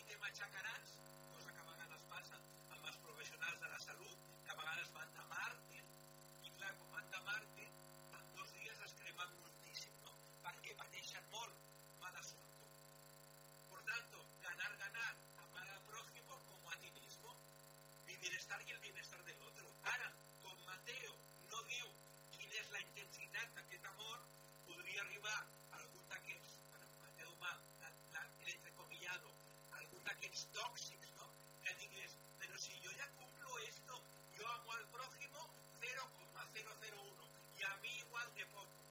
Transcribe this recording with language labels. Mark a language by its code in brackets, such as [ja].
[ca] aixecaràs, cosa que a vegades passa amb els professionals de la salut, que a vegades van de màrtir, i clar, quan van de màrtir, en dos dies es cremen moltíssim, no? Perquè pateixen molt, mal assumpte. [es] Por tanto, ganar-ganar, amar al prójimo como a ti mismo, mi bienestar y el bienestar del otro. [ca] Ara, com Mateo no diu quina és la intensitat d'aquest amor, podria arribar a algun d'aquests, Mateo va, l'entrecomillado, algun d'aquests tòxics, no? Que digués, però si jo ja [es] cumplo esto, [ca] jo [es] amo al prójimo [ca] 0,001 i a mi igual de poc.